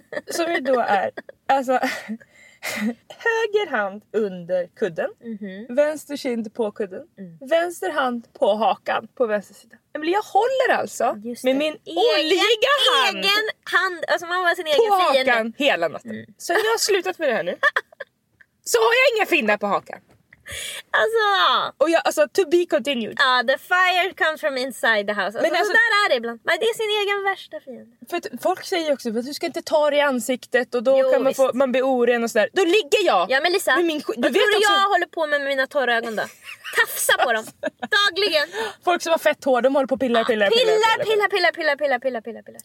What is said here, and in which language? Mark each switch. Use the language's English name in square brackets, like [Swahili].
[Swedish] Som ju då är, alltså, höger hand under kudden, vänster kind på kudden, vänster hand på hakan på vänster sida. Men jag håller alltså med min oljiga hand, egen hand, alltså man har sin på egen hakan fiende hela natten. Så jag har slutat med det här nu. Så har jag inga finnar på hakan. Alltså, och jag, alltså [English] to be continued. Ja, the fire comes from inside the house. [Swedish] Alltså, men alltså, där är det ibland. Men det är sin egen värsta fiende. För att folk säger också att du ska inte ta det i ansiktet och då kan man visst få, man blir oren och sådär. Då ligger jag. Ja, men Lisa, du vet också, jag håller på med mina torra ögon då. Tafsa på dem dagligen. Folk som har fett hår, de håller på och pillar.